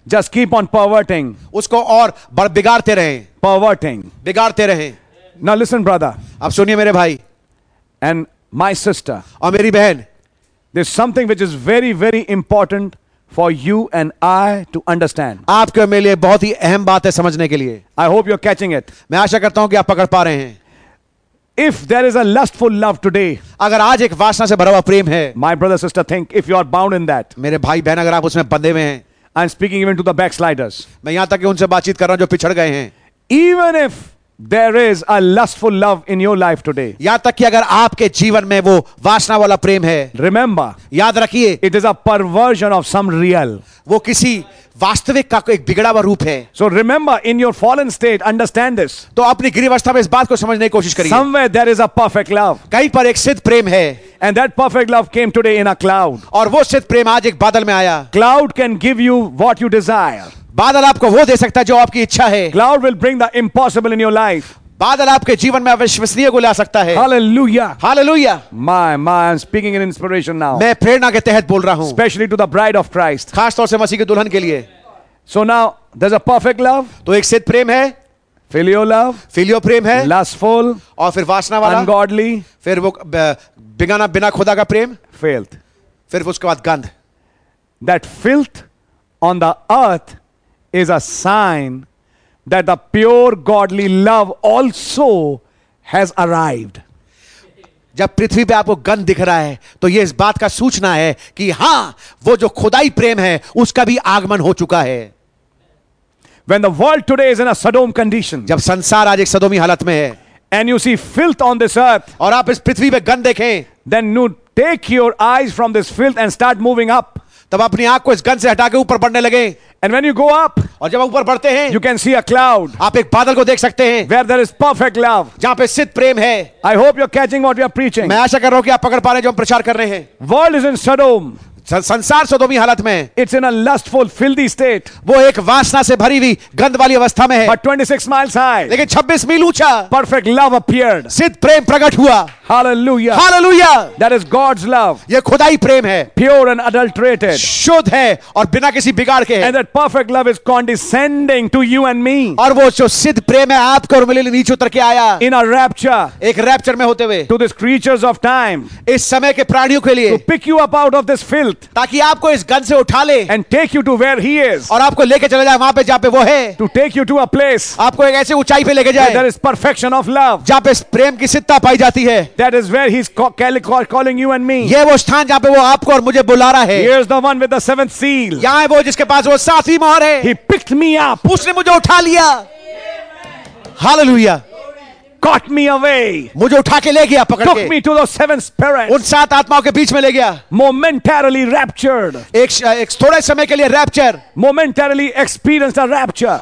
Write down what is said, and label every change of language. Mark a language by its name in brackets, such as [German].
[English] Just keep on perverting. [Hindi] उसको और बिगाड़ते रहें. [English] Perverting. [Hindi] बिगाड़ते रहें. [English] Now listen, brother. [Hindi] अब सुनिए मेरे भाई. [English] And my sister. [Hindi] और मेरी बहन. [English] There's something which is very, very important for you and I to understand. [Hindi] आपके मेरे लिए बहुत ही अहम बात है समझने के लिए. [English] I hope you're catching it. [Hindi] मैं आशा करता हूं कि आप पकड़ पा रहे हैं. [English] If there is a lustful love today, [Hindi] अगर आज एक वासना से भरा हुआ प्रेम है, [English] my brother sister think if you are bound in that, [Hindi] मेरे भाई बहन अगर आप उसमें बंधे हुए हैं, [English] I'm speaking even to the backsliders, [Hindi] मैं यहां तक उनसे बातचीत कर रहा हूं जो पिछड़ गए हैं, [English] even if there is a lustful love in your life today, [Hindi] यहां तक कि अगर आपके जीवन में वो वासना वाला प्रेम है, [English] remember, [Hindi] याद रखिए, [English] it is a perversion of some real, [Hindi] वो किसी वास्तविक का एक बिगड़ा हुआ रूप है. [English] So remember in your fallen state, understand this. [Hindi] तो अपनी गिरी अवस्था में इस बात को समझने की कोशिश करिए. [English] Somewhere there is a perfect love. [Hindi] कहीं पर एक सिद्ध प्रेम है. [English] And that perfect love came today in a cloud. [Hindi] और वो सिद्ध प्रेम आज एक बादल में आया. [English] Cloud can give you what you desire. [Hindi] बादल आपको वो दे सकता है जो आपकी इच्छा है. [English] Cloud will bring the impossible in your life. [Hindi] बादल आपके जीवन में अविश्वसनीय को ला सकता है. Hallelujah, hallelujah. [English] My, I'm speaking in inspiration now. [Hindi] मैं प्रेरणा के तहत बोल रहा हूँ. [English] Especially to the bride of Christ. [Hindi] खास तौर से मसीह की दुल्हन के लिए. [English] So now there's a perfect love. [Hindi] तो एक सिद्ध प्रेम है. [English] Filio love. [Hindi] Filio प्रेम है. [English] Lustful. [Hindi] और फिर वासना वाला. [English] Ungodly. [Hindi] फिर वो बिगाना बिना खुदा का प्रेम. [English] Filth. [Hindi] फिर उसके बाद गंध. [English] That filth on the earth is a sign that the pure godly love also has arrived. [Hindi] जब पृथ्वी पे आपको गंध दिख रहा है तो ये इस बात का सूचना है कि हां वो जो खुदाई प्रेम है उसका भी आगमन हो चुका है. [English] When the world today is in a Sodom condition. [Hindi] जब संसार आज एक सदोमी हालत में है. [English] And you see filth on this earth. [Hindi] और आप इस पृथ्वी पे गंध देखें. [English] Then you take your eyes from this filth and start moving up. [Hindi] तब अपनी आंख को इस गंध से हटा के ऊपर बढ़ने लगे. [English] And when you go up, [Hindi] और जब ऊपर बढ़ते हैं, [English] you can see a cloud. [Hindi] आप एक बादल को देख सकते हैं. [English] Where there is perfect love. [Hindi] जहाँ पे सिद्ध प्रेम है. [English] I hope you're catching what we are preaching. [Hindi] मैं आशा कर रहा हूँ कि आप पकड़ पा रहे हैं जो हम प्रचार कर रहे हैं. [English] World is in Sodom. [Hindi] संसार सदोमी हालत में. [English] It's in a lustful, filthy state. [Hindi] वो एक वासना से भरी हुई गंध वाली अवस्था में है. [English] But 26 miles high. [Hindi] लेकिन 26 मील ऊंचा. [English] Perfect love appeared. [Hindi] सिद्ध प्रेम प्रकट हुआ. [English] Hallelujah. Hallelujah. That is God's love. [Hindi] ये खुदाई प्रेम है. [English] Pure and adulterated. [Hindi] शुद्ध है और बिना किसी बिगाड़ के है. [English] And that perfect love is condescending to you and me. [Hindi] और वो जो सिद्ध प्रेम है आपको और मेरे लिए नीचे उतर के आया. [English] In a rapture. [Hindi] एक रैप्चर में होते हुए. [English] To these creatures of time. [Hindi] इस समय के प्राणियों के लिए. [English] To pick you up out of this filth. [Hindi] ताकि आपको इस गन से उठा ले. [English] And take you to where he is. [Hindi] और आपको लेके चले जाए वहां पे जहां पे वो है. [English] To take you to a place. [Hindi] आपको एक ऐसे ऊंचाई पे लेके जाए. [English] There is perfection of love. [Hindi] जहां पे प्रेम की सिद्धता पाई जाती है. [English] That is where he's calling you and me. [Hindi] ये वो स्थान जहां पे वो आपको और मुझे बुला रहा है. [English] Here's the one with the seventh seal. [Hindi] यहां है वो जिसके पास वो सातवीं मोहर है. [English] He picked me up. [Hindi] उसने मुझे उठा लिया. हालेलुया. [English] Caught me away. [Hindi] मुझे उठा के ले गया पकड़ [English] Took [Hindi] के. [English] Took me to the seven spirits. [Hindi] उन सात आत्माओं के बीच में ले गया. [English] Momentarily raptured. [Hindi] एक थोड़े समय के लिए rapture. [English] Momentarily experienced a rapture.